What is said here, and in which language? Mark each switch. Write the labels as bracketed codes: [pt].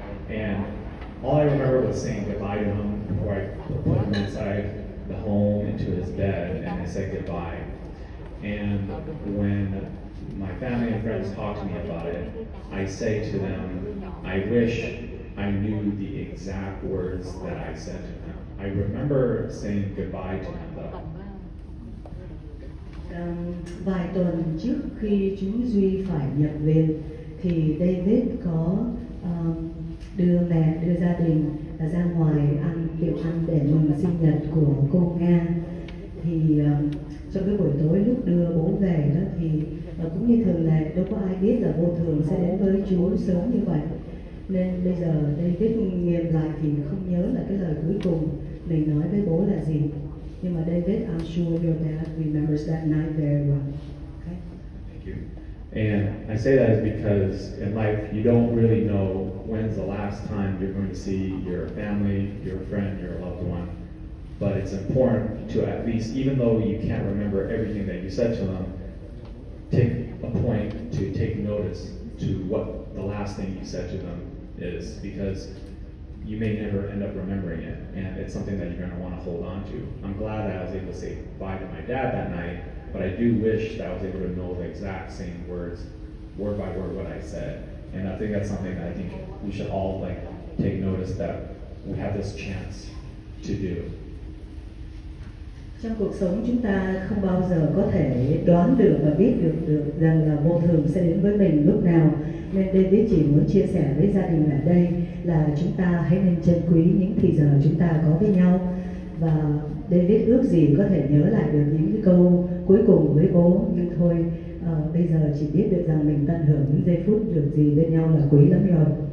[en] And all I remember was saying goodbye to him before I put him inside the home into his bed, and I said goodbye. And when my family and friends talk to me about it, I say to them, I wish I knew the exact words that I said to him. I remember saying goodbye to him though. [vi] Vài tuần trước khi chú Duy phải nhập viện thì David có đưa mẹ, đưa gia đình ra ngoài ăn tiệc ăn để mừng sinh nhật của cô Nga. Thì trong cái buổi tối lúc đưa bố về đó thì cũng như thường lệ, đâu có ai biết là vô thường sẽ đến với chú sớm như vậy. Nên bây giờ David nghiêm lại thì không nhớ là cái lời cuối cùng mình nói với bố là gì. Nhưng mà [en] David, I'm sure your dad remembers that night very well. Okay. Thank you. And I say that is because in life you don't really know when's the last time you're going to see your family, your friend, your loved one. But it's important to at least, even though you can't remember everything that you said to them, take a point to take notice to what the last thing you said to them is, because you may never end up remembering it, and it's something that you're going to want to hold on to. I'm glad that I was able to say bye to my dad that night, but I do wish that I was able to know the exact same words, word by word, what I said. And I think that's something that I think we should all like take notice that we have this chance to do. [vi] Trong cuộc sống chúng ta không bao giờ có thể đoán được và biết được được rằng là vô thường sẽ đến với mình lúc nào. Nên David chỉ muốn chia sẻ với gia đình ở đây là chúng ta hãy nên trân quý những thời giờ chúng ta có với nhau. Và David ước gì có thể nhớ lại được những cái câu cuối cùng với bố, nhưng thôi bây giờ chỉ biết được rằng mình tận hưởng những giây phút được gì bên nhau là quý lắm rồi.